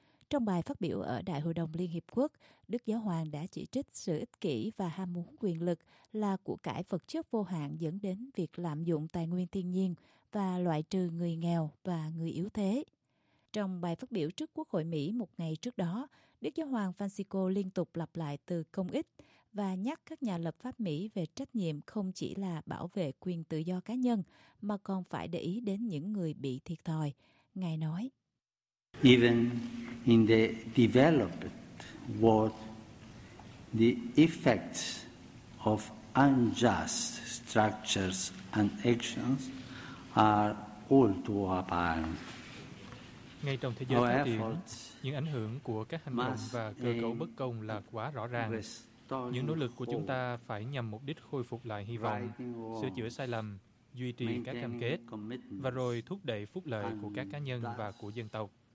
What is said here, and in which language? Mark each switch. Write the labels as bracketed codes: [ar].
[vi] Trong bài phát biểu ở Đại hội đồng Liên Hiệp Quốc, Đức Giáo Hoàng đã chỉ trích sự ích kỷ và ham muốn quyền lực là của cải vật chất vô hạn dẫn đến việc lạm dụng tài nguyên thiên nhiên và loại trừ người nghèo và người yếu thế. Trong bài phát biểu trước Quốc hội Mỹ một ngày trước đó, Đức Giáo Hoàng Francisco liên tục lặp lại từ công ích và nhắc các nhà lập pháp Mỹ về trách nhiệm không chỉ là bảo vệ quyền tự do cá nhân mà còn phải để ý đến những người bị thiệt thòi. Ngài nói. [en] Even in the developed world, the effects of unjust structures and actions are all too apparent. [vi] Ngay trong thế giới phát triển, những ảnh hưởng của các hành động và cơ cấu bất công là quá rõ ràng. Những nỗ lực của chúng ta phải nhằm mục đích khôi phục lại hy vọng, sửa chữa sai lầm, duy trì các cam kết, và rồi thúc đẩy phúc lợi của các cá nhân và của dân tộc.